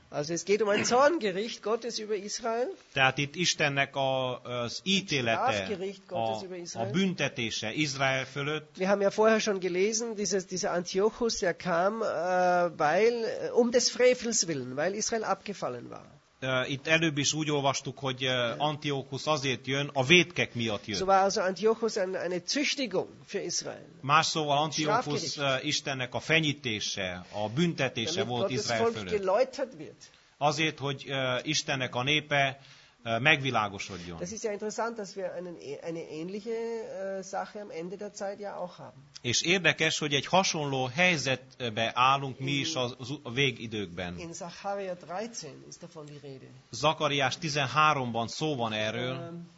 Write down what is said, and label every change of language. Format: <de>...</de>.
<de>Also es geht um ein Zorngericht Gottes über Israel.</de> <hu>Tehát itt Istennek az ítélete, a büntetése Izrael fölött.</hu> <de>Wir haben ja vorher schon gelesen, dieser Antiochus, der kam, weil um des Frevels willen, weil Israel abgefallen war.</de> <hu>Itt előbb is úgy olvastuk, hogy Antiochus azért jön, a vétkek miatt jön.</hu> <de>So war also Antiochus eine Züchtigung für Israel.</de> <hu>Más szóval Antiochus Istennek a fenyítése, a büntetése volt Izrael fölött. Azért, hogy Istennek a népe megvilágosodjon.</hu> <de>Das ist ja interessant, dass wir eine ähnliche Sache am Ende der Zeit ja auch haben.</de> <hu>És érdekes, hogy egy hasonló helyzetbe állunk mi is az végidőkben.</hu> <de>In Zacharia 13 ist davon die Rede.</de> <hu>Zakariás 13-ban szó van erről.</hu>